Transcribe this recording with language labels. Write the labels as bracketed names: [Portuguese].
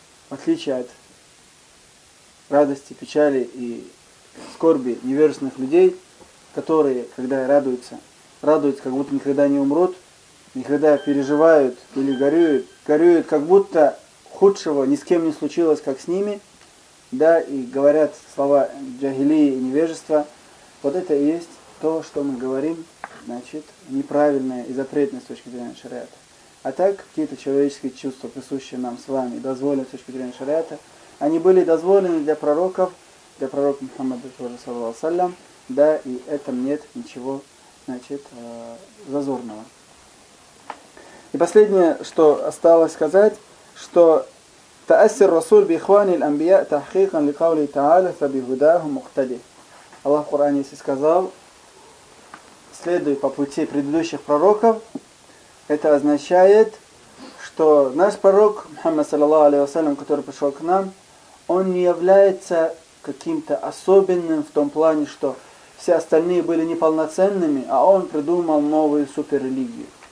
[Russian] В отличие от радости, печали и скорби невежественных людей, которые, когда радуются, радуются, как будто никогда не умрут, никогда переживают или горюют, горюют, как будто худшего ни с кем не случилось, как с ними, да, и говорят слова джагилии и невежества, вот это и есть то, что мы говорим, значит, неправильное и запретное с точки зрения шариата. А так, какие-то человеческие чувства, присущие нам с вами, дозволенные с точки зрения шариата, они были дозволены для пророков, для пророка Мухаммада, тоже, саллаллаху алейхи ва саллям, да, и в этом нет ничего, значит, зазорного. И последнее, что осталось сказать, что [Arabic] تأثر رسول بإخوان الأنبياء تحقيقا لقوله تعالى فبهداه مقتدي. [Russian] Аллах в Коране сказал, следуй по пути предыдущих пророков. Это означает, что наш пророк Мухаммад саллаллаху алейхи ва саллям, который пришел к нам, он не является каким-то особенным в том плане, что все остальные были неполноценными, а он придумал новую суперрелигию.